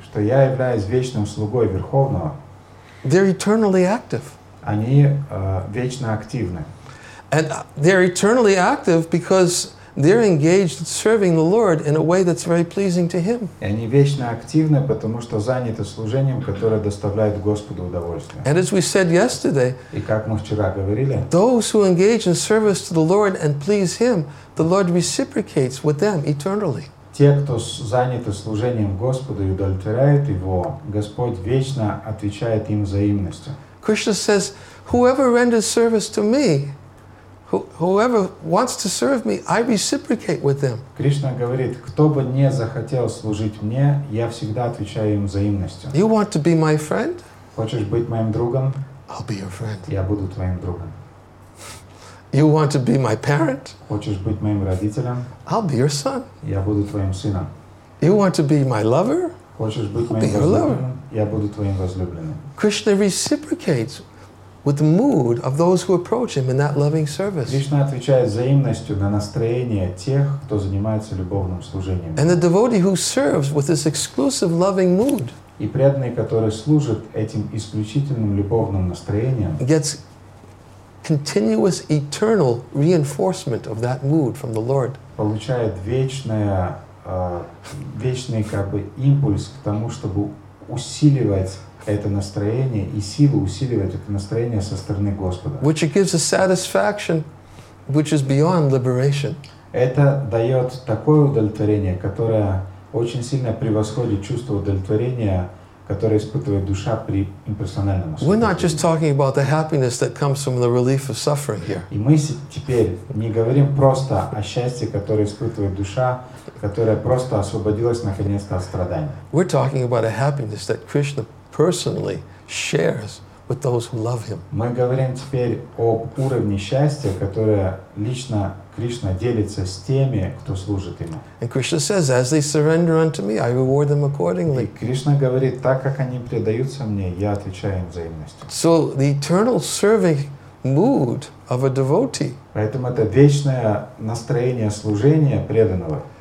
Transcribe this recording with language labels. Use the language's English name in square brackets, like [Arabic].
[Russian] что я являюсь вечным слугой верховного, [English] they're eternally active. [Russian] Они вечно активны. [English] And they're eternally active because they're engaged in serving the Lord in a way that's very pleasing to Him. [Russian] И они вечно активны, потому что заняты служением, которое доставляет Господу удовольствие. [English] And as we said yesterday, [Russian] и как мы вчера говорили, [English] those who engage in service to the Lord and please Him, the Lord reciprocates with them eternally. [Russian] Те, кто заняты служением Господу и удовлетворяют Его, Господь вечно отвечает им взаимностью. [English] Krishna says, whoever renders service to me, whoever wants to serve me, I reciprocate with them. [Russian] Кришна говорит, кто бы не захотел служить мне, я всегда отвечаю им взаимностью. [English] You want to be my friend? [Russian] Хочешь быть моим другом? [English] I'll be your friend. [Russian] Я буду твоим другом. [English] You want to be my parent? [Russian] Хочешь быть моим родителем? [English] I'll be your son. [Russian] Я буду твоим сыном. [English] You want to be my lover? [Russian] Хочешь быть моим возлюбленным? Я буду твоим возлюбленным. [English] Krishna reciprocates with the mood of those who approach him in that loving service. [Russian] Кришна отвечает взаимностью на настроение тех, кто занимается любовным служением. [English] And the devotee who serves with this exclusive loving mood. [Russian] И преданный, который служит этим исключительным любовным настроением, [English] gets continuous eternal reinforcement of that mood from the Lord. [Russian] Получает вечное вечный как бы импульс к тому, чтобы усиливать это настроение и силу усиливать это настроение со стороны Господа. [English] Which gives a satisfaction, which is beyond liberation. [Russian] Это дает такое удовлетворение, которое очень сильно превосходит чувство удовлетворения, которое испытывает душа при имперсональном освобождении. [English] We're not just talking about the happiness that comes from the relief of suffering here. [Russian] И мы теперь не говорим просто о счастье, которое испытывает душа, которая просто освободилась наконец-то от страдания. [English] We're talking about a happiness that Krishna personally shares with those who love him. [Russian] Мы говорим теперь об уровне счастья, которое лично Кришна делится с теми, кто служит ему. [English] And Krishna says, as they surrender unto me, I reward them accordingly. [Russian] И Кришна говорит, так как они предаются мне, я отвечаю им взаимностью. [English] So the eternal serving mood of a devotee. [Russian] Поэтому это вечное настроение служения преданного.